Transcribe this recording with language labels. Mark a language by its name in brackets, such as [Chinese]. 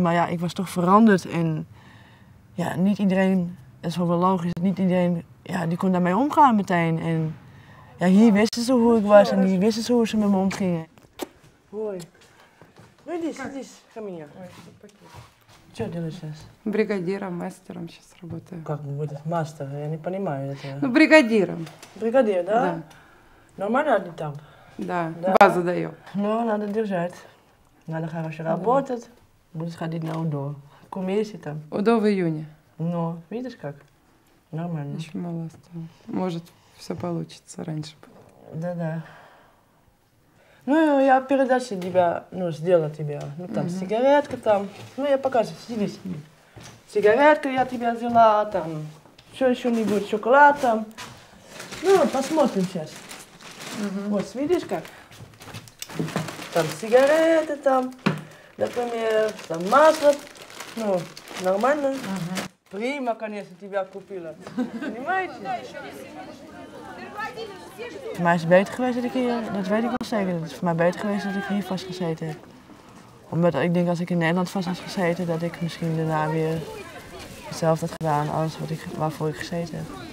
[Dutch] Maar ja, ik was toch veranderd en ja, niet iedereen... Dat is wel logisch, niet iedereen ja, die kon daarmee omgaan meteen. En ja, hier wisten ze hoe ik was en hier wisten ze hoe ze met me omgingen. Hoi. Rudy, dit is Camilla. Wat doe je [Russian] сейчас? Бригадиром, мастером сейчас работаю. Как будет мастер? Я не понимаю это. Ну, бригадиром. Бригадир, да? Да. Нормально ли там? Да. Базу даю. Ну, надо держать. Надо хорошо работать. Будешь ходить на УДО. Какой месяц там? УДО в июне. Но, видишь как? Нормально. Еще мало осталось. Может, все получится раньше было. Да-да. Ну, я передачу тебя, ну, сделаю тебе. Ну, там, угу. Сигаретка там. Ну, я покажу, сиди. Сигаретка я тебе взяла, там. Еще-нибудь, шоколад там. Ну, посмотрим сейчас. Угу. Вот, видишь как? Там сигареты там, например, там масло. Ну, нормально. Угу. Прима, конечно, тебя купила. Понимаете? [Dutch] Voor mij is het beter geweest dat ik hier, dat weet ik wel zeker. Het is voor mij beter geweest dat ik hier vastgezeten heb. Omdat ik denk als ik in Nederland vast had gezeten, dat ik misschien daarna weer hetzelfde had gedaan als wat ik, waarvoor ik gezeten heb.